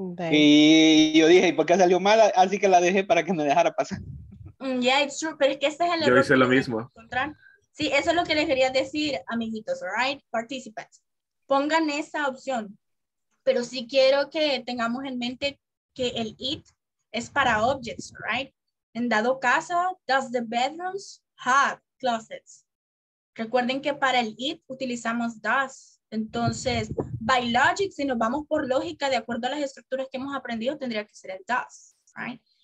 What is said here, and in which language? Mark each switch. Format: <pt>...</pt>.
<es>y yo dije, ¿y por qué salió mala? Así que la dejé para que me dejara pasar.</es> <en>Yeah, it's true.</en> <es>Pero es que este es el error. Yo hice lo mismo. Sí, eso es lo que les quería decir, amiguitos.</es> <en>All right, participants.</en> <es>Pongan esa opción. Pero sí quiero que tengamos en mente que el it es para objects, right? En dado caso,</es> <en>does the bedrooms have closets?</en> <es>Recuerden que para el it utilizamos does. Entonces,</es> <en>by logic,</en> <es>si nos vamos por lógica, de acuerdo a las estructuras que hemos aprendido, tendría que ser el does,</es> <en>right?</en>